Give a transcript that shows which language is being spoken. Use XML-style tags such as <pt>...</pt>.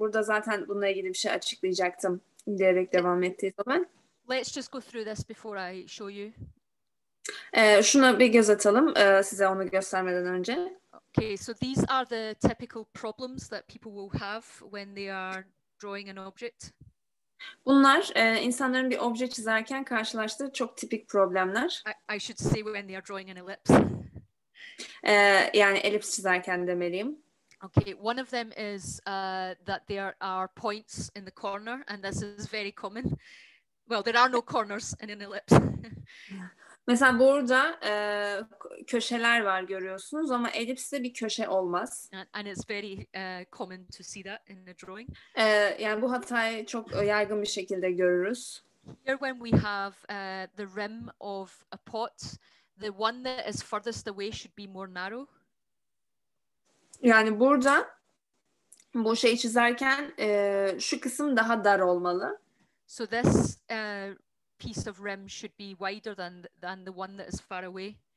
<tr>Burada zaten bununla ilgili bir şey açıklayacaktım diyerek devam ettiği zaman.</tr> <en>Let's just go through this before I show you.</en> <tr>Şuna bir göz atalım size onu göstermeden önce.</tr> <en>Okay, so these are the typical problems that people will have when they are drawing an object.</en> <tr>Bunlar insanların bir obje çizerken karşılaştığı çok tipik problemler.</tr> <en>I should say when they are drawing an ellipse.</en> <tr>Yani elips çizerken demeliyim.</tr> <en>Okay, one of them is that there are points in the corner, and this is very common. Well, there are no corners in an ellipse.</en> <tr>Mesela burada köşeler var görüyorsunuz ama elipste bir köşe olmaz.</tr> <en>And it's very common to see that in the drawing.</en> <tr>Yani bu hatayı çok yaygın bir şekilde görürüz.</tr> <en>Here when we have the rim of a pot, the one that is furthest away should be more narrow.</en> <tr>Yani burada bu şeyi çizerken şu kısım daha dar olmalı.</tr> <en>So this piece of rim should be wider than the one that is far away.</en>